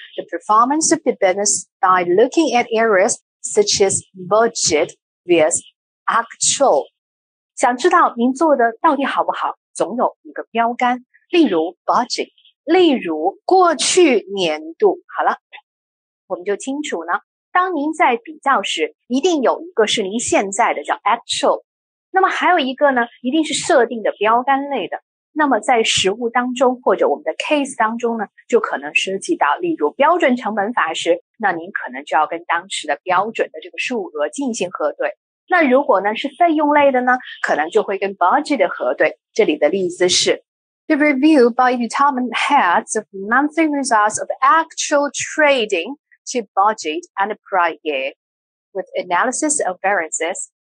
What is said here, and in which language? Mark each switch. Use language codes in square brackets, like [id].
[en] The performance of the business by looking at areas such as budget vs actual。 [zh] 想知道您做的到底好不好，总有一个标杆，例如 budget， 例如过去年度。好了，我们就清楚呢，当您在比较时一定有一个是您现在的叫 actual， 那么还有一个呢一定是设定的标杆类的。那么在实务当中或者我们的 case 当中呢，就可能涉及到例如标准成本法时，那您可能就要跟当时的标准的这个数额进行核对。那如果呢是费用类的呢，可能就会跟 budget 核对。这里的例子是 [en] The review by department heads of monthly results of actual trading to budget and prior year with analysis of variances。